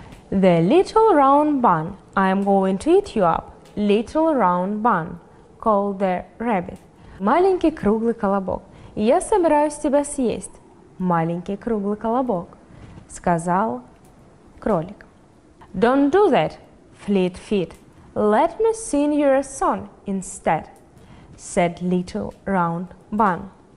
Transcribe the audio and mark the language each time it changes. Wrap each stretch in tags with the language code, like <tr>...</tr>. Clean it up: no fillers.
<en>The little round bun, I'm going to eat you up. Little round bun, called the rabbit.</en> <ru>Маленький круглый колобок, я собираюсь тебя съесть. Маленький круглый колобок, сказал кролик.</ru> <en>Don't do that, fleet feet. Let me sing your song instead, said little round bun.</en>